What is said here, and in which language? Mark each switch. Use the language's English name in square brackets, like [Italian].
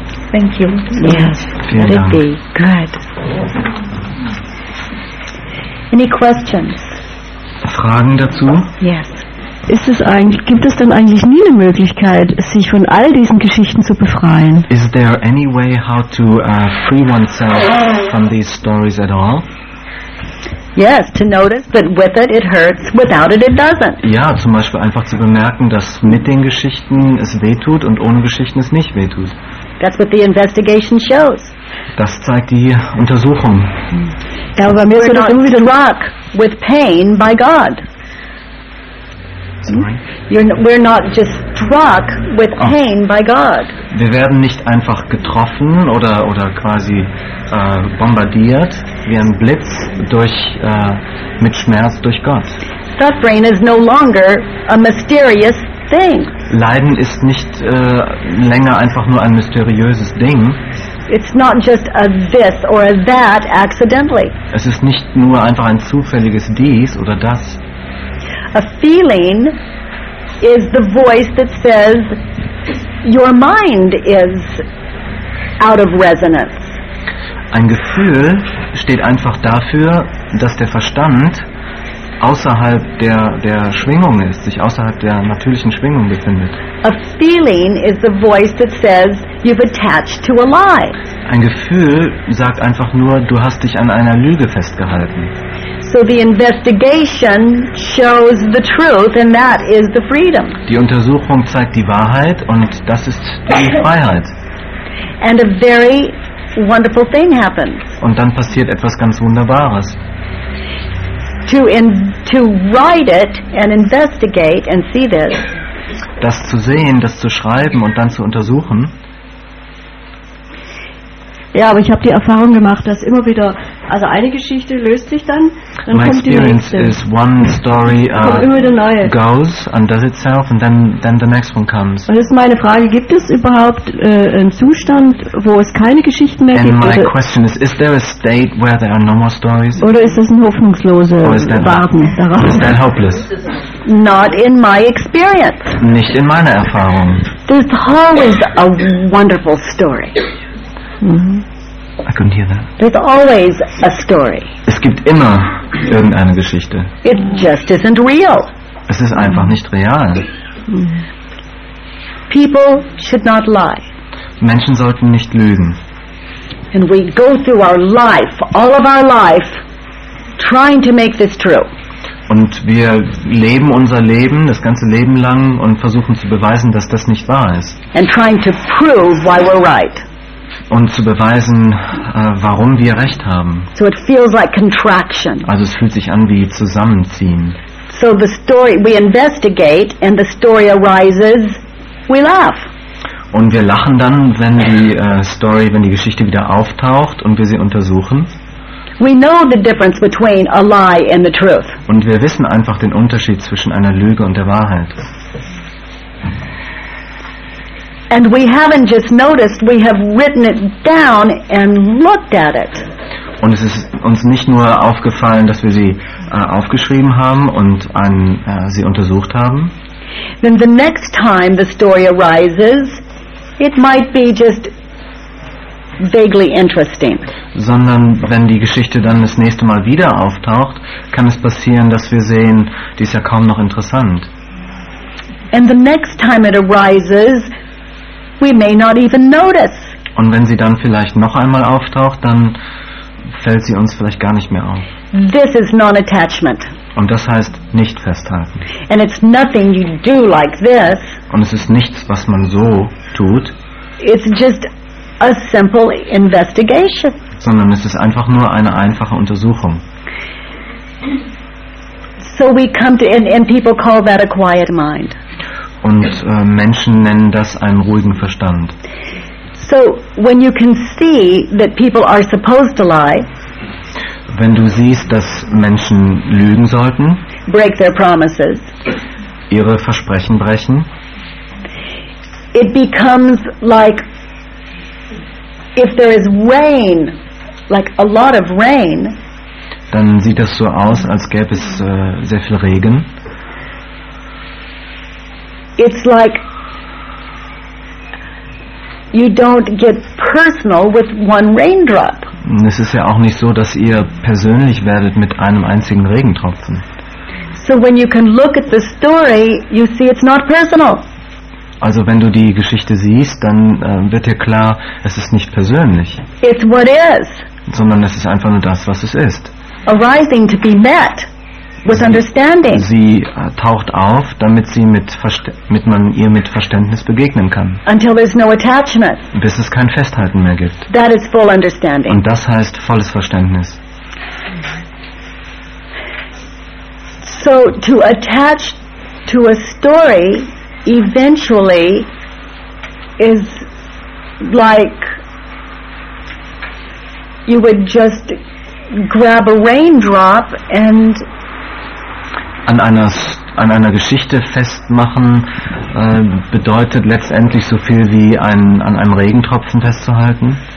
[English] Thank you. Yes. [German] Vielen [English] Let [German] Dank. [English] It be. Good. Any questions? [German] Fragen dazu? [English] Yes. [German] Ist es eigentlich, gibt es denn eigentlich nie eine Möglichkeit, sich von all diesen Geschichten zu befreien? [English] Is there any way how to free oneself from these stories at all? Yes, to notice that with it it hurts, without it it doesn't. [German] Ja, zum Beispiel einfach zu bemerken, dass mit den Geschichten es wehtut und ohne Geschichten es nicht wehtut. [English] That's what the investigation shows. [German] Das zeigt die Untersuchung. Ja, aber bei mir ist es irgendwie der Rock. [English] With pain by God. Sorry? We're not just struck with pain by God. [German] Wir werden nicht einfach getroffen oder quasi bombardiert wie ein Blitz durch mit Schmerz durch Gott. [English] Suffering is no longer a mysterious thing. [German] Leiden ist nicht länger einfach nur ein mysteriöses Ding. [English] It's not just a this or a that accidentally. [German] Es ist nicht nur einfach ein zufälliges dies oder das. [English] A feeling is the voice that says Your mind is out of resonance. [German] Ein Gefühl steht einfach dafür, dass der Verstand außerhalb der Schwingung ist, sich außerhalb der natürlichen Schwingung befindet. [English] A feeling is the voice that says you've attached to a lie. [German] Ein Gefühl sagt einfach nur, du hast dich an einer Lüge festgehalten. [English] So the investigation shows the truth, and that is the freedom. [German] Die Untersuchung zeigt die Wahrheit, und das ist die Freiheit. [English] And a very wonderful thing happens. [German] Und dann passiert etwas ganz Wunderbares. [English] To write it and investigate and see this. [German] Das zu sehen, das zu schreiben und dann zu untersuchen. Ja, aber ich habe die Erfahrung gemacht, dass immer wieder, also eine Geschichte löst sich dann [English] my [German] kommt [English] experience [German] die nächste. [English] Is one story goes and does itself and then the next one comes. [German] Und das ist meine Frage, gibt es überhaupt einen Zustand, wo es keine Geschichten mehr [English] and [German] gibt? [English] And my question is there a state where there are no more stories? [German] Oder ist es ein hoffnungslose Warten darauf? [English] Is that hopeless? Not in my experience. [German] Nicht in meiner Erfahrung. [English] This hall is a wonderful story. I couldn't hear that. There's always a story. [German] Es gibt immer irgendeine Geschichte. [English] It just isn't real. [German] Es ist einfach nicht real. [English] People should not lie. [German] Menschen sollten nicht lügen. [English] And we go through our life, all of our life, trying to make this true. [German] Und wir leben unser Leben, das ganze Leben lang, und versuchen zu beweisen, dass das nicht wahr ist. [English] And trying to prove why we're right. [German] Und zu beweisen, warum wir recht haben. [English] So it feels like contraction. [German] Also es fühlt sich an wie Zusammenziehen. [English] So the story we investigate and the story arises, we laugh. [German] Und wir lachen dann, wenn die Story, wenn die Geschichte wieder auftaucht und wir sie untersuchen. [English] We know the difference between a lie and the truth. [German] Und wir wissen einfach den Unterschied zwischen einer Lüge und der Wahrheit. [English] And we haven't just noticed, we have written it down and looked at it. [German] Und es ist uns nicht nur aufgefallen, dass wir sie aufgeschrieben haben und sie untersucht haben. [English] Then the next time the story arises, it might be just vaguely interesting. [German] Sondern wenn die Geschichte dann das nächste Mal wieder auftaucht, kann es passieren, dass wir sehen, die ist ja kaum noch interessant. [English] And the next time it arises, we may not even notice. [German] Und wenn sie dann vielleicht noch einmal auftaucht, dann fällt sie uns vielleicht gar nicht mehr auf. [English] This is non-attachment. [German] Und das heißt nicht festhalten. [English] And it's nothing you do like this. [German] Und es ist nichts, was man so tut. [English] It's just a simple investigation. [German] Sondern es ist einfach nur eine einfache Untersuchung. [English] So we come to and people call that a quiet mind. [German] Und Menschen nennen das einen ruhigen Verstand. [English] So, when you can see that people are supposed to lie, [German] wenn du siehst, dass Menschen lügen sollten, [English] break their promises, [German] ihre Versprechen brechen, [English] it becomes like if there is rain, like a lot of rain, [German] dann sieht das so aus, als gäbe es sehr viel Regen. [English] It's like you don't get personal with one raindrop. [German] Es ist ja auch nicht so, dass ihr persönlich werdet mit einem einzigen Regentropfen. [English] So when you can look at the story, you see it's not personal. [German] Also wenn du die Geschichte siehst, dann wird dir klar, es ist nicht persönlich. [English] It's what is. [German] Sondern es ist einfach nur das, was es ist. [English] Arising to be met. With understanding. [German] Sie taucht auf, damit sie mit man ihr mit Verständnis begegnen kann. [English] Until there's no attachment. [German] Bis es kein Festhalten mehr gibt. [English] That is full understanding. [German] Und das heißt volles Verständnis. [English] So to attach to a story eventually is like you would just grab a raindrop and [German] An einer Geschichte festmachen bedeutet letztendlich so viel wie an einem Regentropfen festzuhalten.